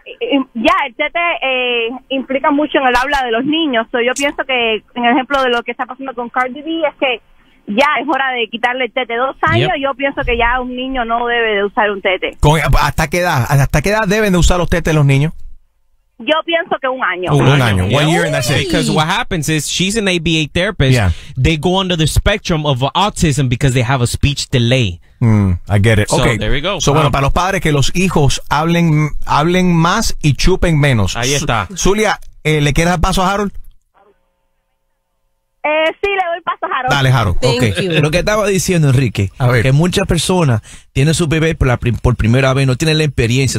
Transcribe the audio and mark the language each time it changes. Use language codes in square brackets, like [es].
[es] El tete implica mucho en el habla de los niños. So, yo pienso que en el ejemplo de lo que está pasando con Cardi B es que ya es hora de quitarle el tete. 2 años, yep. Yo pienso que ya un niño no debe de usar un tete. ¿Hasta qué edad deben de usar los tetes los niños? Yo pienso que un año. Un año. [en] Yeah. One year and that's it. Because what happens is she's an ABA therapist. Yeah. They go under the spectrum of autism because they have a speech delay. I get it. So, okay. There we go. [es] So, bueno, para los padres, que los hijos hablen más y chupen menos. Ahí está. Zulia, ¿le quieres dar paso a Harold? Sí, le doy doy paso, Jaro. Dale, Jaro. Okay. Lo que estaba diciendo, Enrique, que muchas personas tienen su bebé por primera vez, no tienen la experiencia.